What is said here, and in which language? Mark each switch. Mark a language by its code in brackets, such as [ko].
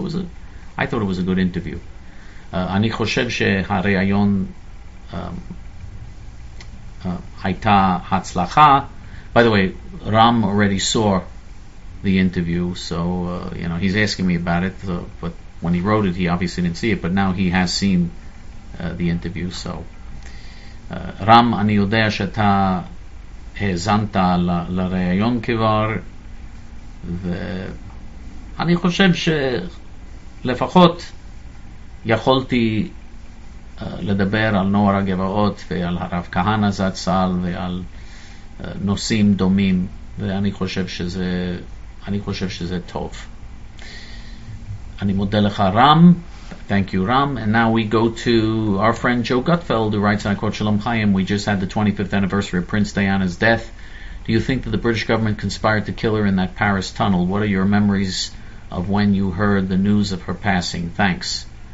[en] So I thought it was a good interview. [he] Ani choshev shehareayon haita hatzlacha. [en] By the way, Ram already saw the interview, so you know, he's asking me about it. But when he wrote it, he obviously didn't see it, but now he has seen the interview, so... [he] Ram, אני יודע שאתה האזנת לרעיון כבר, ואני חושב שלפחות יכולתי לדבר על נוער הגבעות ועל הרב כהנא זצ"ל ועל נושאים דומים, ואני חושב שזה טוב. אני מודה לך, רם. [en] Thank you, Ram. And now we go to our friend Joe Gutfeld, who writes, and I quote, Shalom Chaim, we just had the 25th anniversary of Prince Diana's death. Do you think that the British government conspired to kill her in that Paris tunnel? What are your memories of when you heard the news of her passing? Thanks.